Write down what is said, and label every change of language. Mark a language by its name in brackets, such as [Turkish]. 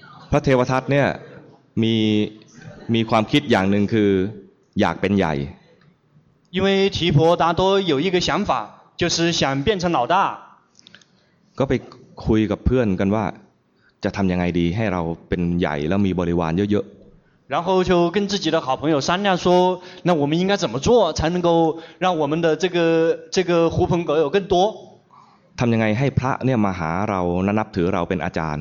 [Thai] พระเทวทัตเนี่ยมีความคิดอย่างหนึ่งคืออยากเป็นใหญ่ [Chinese] 因为提婆达多有一个想法就是想变成老大 [Thai] ก็ไปคุยกับเพื่อนกันว่า จะทำยังไงดีให้เราเป็นใหญ่แล้วมีบริวารเยอะ [Chinese] ๆ然后就跟自己的好朋友商量说那我们应该怎么做才能够让我们的这个狐朋狗友更多 [Thai] ทำยังไงให้พระเนี่ยมาหาเรานับถือเราเป็นอาจารย